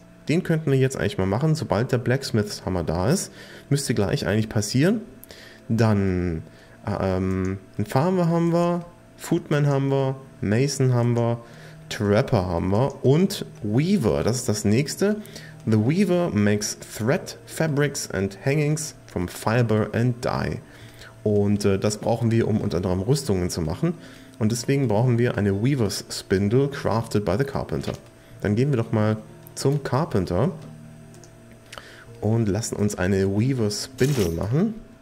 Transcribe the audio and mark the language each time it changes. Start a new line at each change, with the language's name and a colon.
German: Den könnten wir jetzt eigentlich mal machen, sobald der Blacksmith's Hammer da ist. Müsste gleich eigentlich passieren. Dann einen Farmer haben wir, Footman haben wir, Mason haben wir, Trapper haben wir und Weaver, das ist das nächste.
English: The Weaver makes thread, fabrics and hangings from fiber and dye.
German: Und das brauchen wir, um unter anderem Rüstungen zu machen. Und deswegen brauchen wir eine Weaver's Spindle,
English: crafted by the Carpenter.
German: Dann gehen wir doch mal zum Carpenter und lassen uns eine Weaver's Spindle machen.